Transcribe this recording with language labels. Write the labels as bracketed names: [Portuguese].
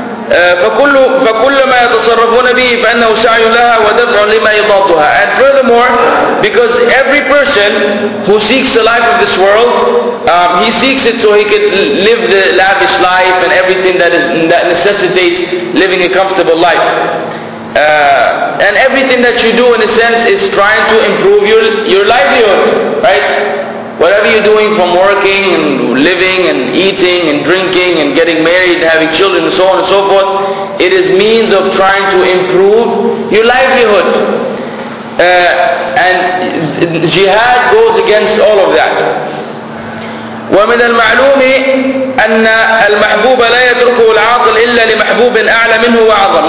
[Arabic] فكل ما يتصرفون به فإنه سعي لها ودفع لما يضادها. [English] And furthermore, because every person who seeks the life of this world, he seeks it so he could live the lavish life and everything that necessitates living a comfortable life. And everything that you do, in a sense, is trying to improve your livelihood, right? Whatever you're doing, from working and living and eating and drinking and getting married and having children and so on and so forth, it is means of trying to improve your livelihood. And jihad goes against all of that. [Arabic] ومن المعلوم أن المحبوب لا يتركه العاطل إلا لمحبوب أعلى منه وأعظم.